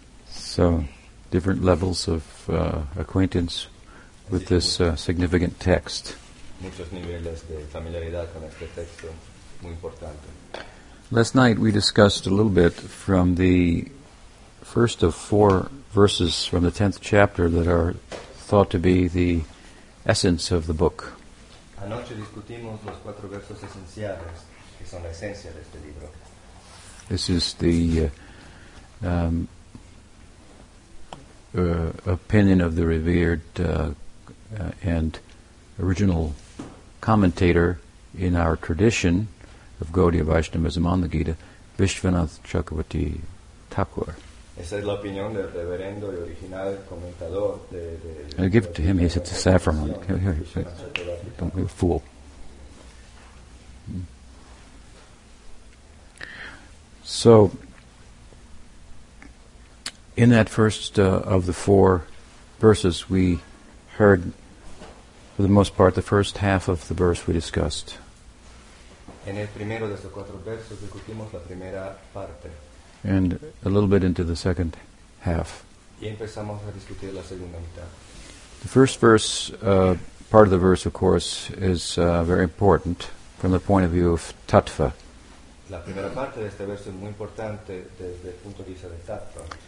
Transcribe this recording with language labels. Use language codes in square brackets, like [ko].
[en] So, different levels of acquaintance with this significant text. [es] Muchos niveles de familiaridad con este texto muy importante. [en] Last night we discussed a little bit from the first of four verses from the 10th chapter that are thought to be the essence of the book. [es] Anoche discutimos los cuatro versos esenciales que son la esencia de este libro. [en] This is the opinion of the revered and original commentator in our tradition of Gaudiya Vaishnavism on the Gita, Vishwanath Chakravarti Thakur. [es] Esa es la opinión del reverendo y original comentador [en] de give it to him, he said it's a saffron. Here. Don't be a fool. So, in that first of the four verses, we heard, for the most part, the first half of the verse we discussed. [es] En el primero de esos cuatro versos discutimos la primera parte. [en] And a little bit into the second half. [es] Y empezamos a discutir la segunda mitad. [en] The first verse, part of the verse, of course, is very important from the point of view of tattva. [es] La primera parte de este verso es muy importante desde el punto de vista de tattva.